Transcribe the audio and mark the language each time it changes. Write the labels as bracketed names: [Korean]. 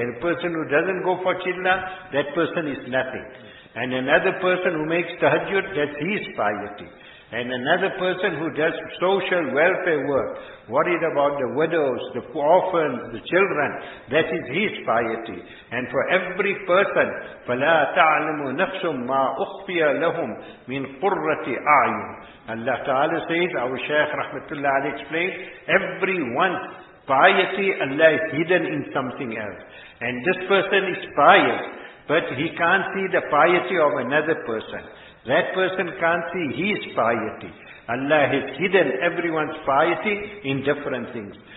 [English] And a person who doesn't go for chilla, that person is nothing. And another person who makes tahajjud, that's his piety. And another person who does social welfare work, worried about the widows, the orphans, the children, that is his piety. And for every person, [Arabic] فَلَا تَعْلَمُ نَفْسٌ مَا أُخْفِيَ لَهُمْ مِنْ قُرَّةِ أَعْيُنٍ. [English] Allah Ta'ala says, our Shaykh Rahmatullah Ali explains, everyone's piety, Allah is hidden in something else. And this person is pious, but he can't see the piety of another person. That person can't see his piety. Allah has hidden everyone's piety in different things.